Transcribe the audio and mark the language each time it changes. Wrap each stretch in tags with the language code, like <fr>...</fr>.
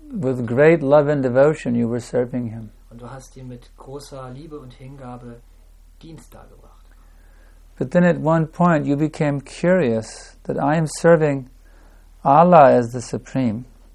<en>With great love and devotion you were serving him.</en> <de>Und du hast ihm mit großer Liebe und Hingabe Dienst dargebracht.</de> <en>But then at one point you became curious that I am serving Allah as the supreme.</en>